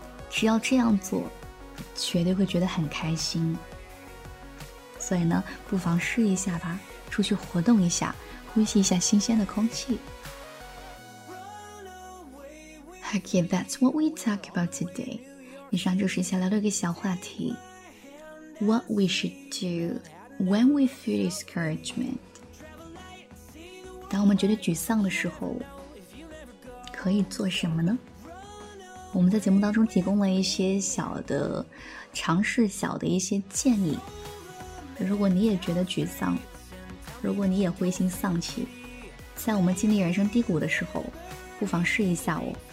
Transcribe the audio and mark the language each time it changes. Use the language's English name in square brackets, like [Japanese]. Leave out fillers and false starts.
[Chinese] 只要这样做，绝对会觉得很开心。所以呢，不妨试一下吧，出去活动一下，呼吸一下新鲜的空气。 [English] Okay, that's what we talk about today. [Chinese] 以上就是下聊的一个小话题。 [English] What we should do when we feel discouragement. [Chinese] 当我们觉得沮丧的时候，可以做什么呢？我们在节目当中提供了一些小的尝试，小的一些建议。如果你也觉得沮丧，如果你也灰心丧气，在我们经历人生低谷的时候，不妨试一下哦。